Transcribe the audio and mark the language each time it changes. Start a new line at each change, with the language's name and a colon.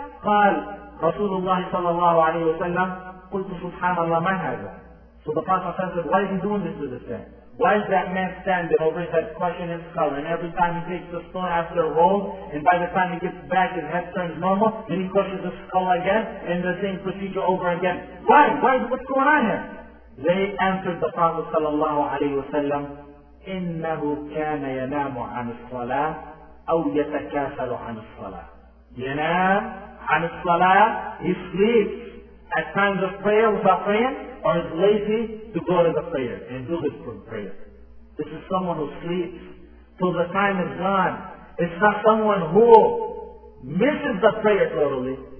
Arabic: قال رسول الله صلى الله عليه وسلم قلت سبحان الله ما هذا.
English: So the Prophet said, why is he doing this to this man? Why is that man standing over his head, crushing his skull, and every time he takes the stone after it rolls, and by the time he gets back, his head turns normal, and he crushes the skull again, and the same procedure over again. Why? What's going on here? They answered the Prophet sallallahu alayhi wa sallam,
Arabic: إِنَّهُ كَانَ يَنَامُ عَنِ الصَّلَاةِ أَوْ يَتَكَاسَلُ عَنِ الصَّلَاةِ. يَنَامُ عَنِ الصَّلَاةِ.
English: He sleeps at times of prayer without praying, or is lazy to go to the prayer and do this for prayer. This is someone who sleeps till the time is gone. It's not someone who misses the prayer totally.